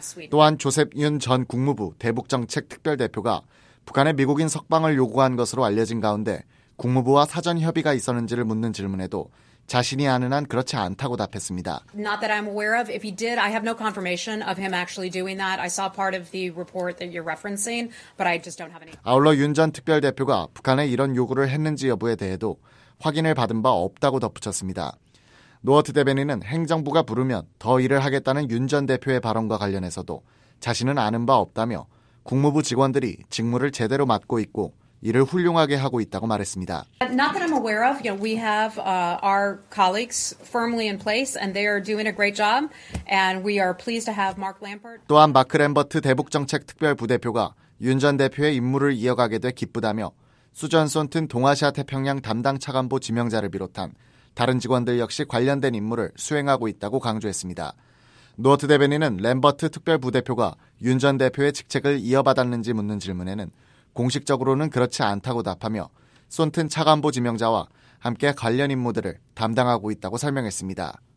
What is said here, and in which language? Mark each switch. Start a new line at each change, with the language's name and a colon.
Korean: 또한 조셉 윤 전 국무부 대북정책특별대표가 북한의 미국인 석방을 요구한 것으로 알려진 가운데 국무부와 사전 협의가 있었는지를 묻는 질문에도 자신이 아는 한 그렇지 않다고 답했습니다.
English: Not that I'm aware of. If he did, I have no confirmation of him actually doing that. I saw part of the report that you're referencing, but I just don't have any.
Korean: 아울러 윤 전 특별대표가 북한에 이런 요구를 했는지 여부에 대해도 확인을 받은 바 없다고 덧붙였습니다. 노어트 대변인은 행정부가 부르면 더 일을 하겠다는 윤 전 대표의 발언과 관련해서도 자신은 아는 바 없다며 국무부 직원들이 직무를 제대로 맡고 있고 이를 훌륭하게 하고 있다고 말했습니다.
English: Not that I'm aware of. You know, we have our colleagues firmly in place and they are doing a great job and we are pleased to have Mark Lambert.
Korean: 또한 마크 램버트 대북정책 특별부대표가 윤 전 대표의 임무를 이어가게 돼 기쁘다며 수전 손튼 동아시아 태평양 담당 차관보 지명자를 비롯한 다른 직원들 역시 관련된 임무를 수행하고 있다고 강조했습니다. 노어트 대변인은 램버트 특별부대표가 윤 전 대표의 직책을 이어받았는지 묻는 질문에는 공식적으로는 그렇지 않다고 답하며 손튼 차관보 지명자와 함께 관련 임무들을 담당하고 있다고 설명했습니다.